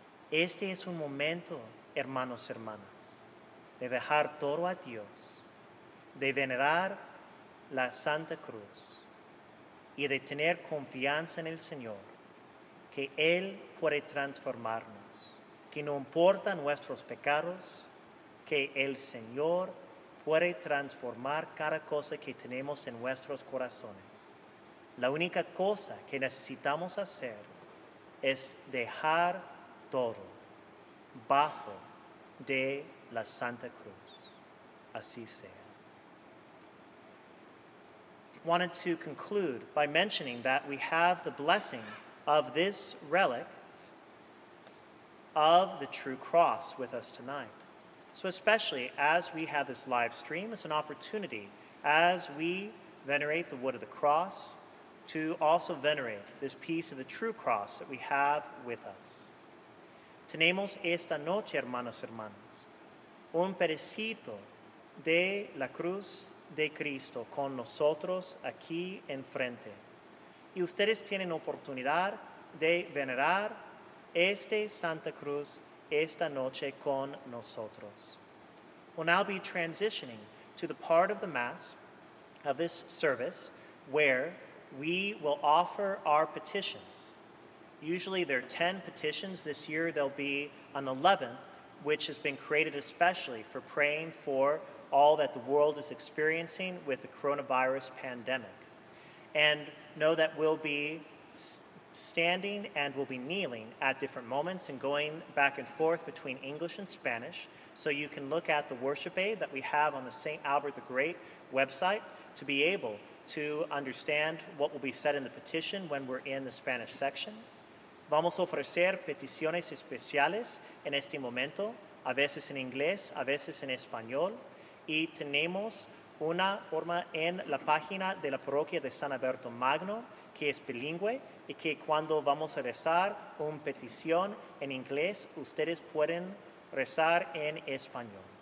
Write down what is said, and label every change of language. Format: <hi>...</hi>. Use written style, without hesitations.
<es>Este es un momento, hermanos y hermanas, de dejar todo a Dios, de venerar la Santa Cruz y de tener confianza en el Señor, que Él puede transformarnos, que no importa nuestros pecados, que el Señor puede transformar cada cosa que tenemos en nuestros corazones. La única cosa que necesitamos hacer es dejar todo bajo de la Santa Cruz. Así sea.</es> <en>Wanted to conclude by mentioning that we have the blessing of this relic of the true cross with us tonight. So especially as we have this live stream, it's an opportunity as we venerate the wood of the cross to also venerate this piece of the true cross that we have with us.</en> <es>Tenemos esta noche, hermanos y hermanas, un pedacito de la cruz de Cristo con nosotros aquí enfrente. Y ustedes tienen oportunidad de venerar esta Santa Cruz esta noche con nosotros.</es> <en>We'll now be transitioning to the part of the Mass of this service where we will offer our petitions. Usually there are 10 petitions. This year there'll be an 11th, which has been created especially for praying for all that the world is experiencing with the coronavirus pandemic. And know that we'll be standing and will be kneeling at different moments and going back and forth between English and Spanish, so you can look at the worship aid that we have on the St. Albert the Great website to be able to understand what will be said in the petition when we're in the Spanish section.</en> <es>Vamos a ofrecer peticiones especiales en este momento, a veces en inglés, a veces en español, y tenemos una forma en la página de la parroquia de San Alberto Magno que es bilingüe, y que cuando vamos a rezar una petición en inglés, ustedes pueden rezar en español.</es>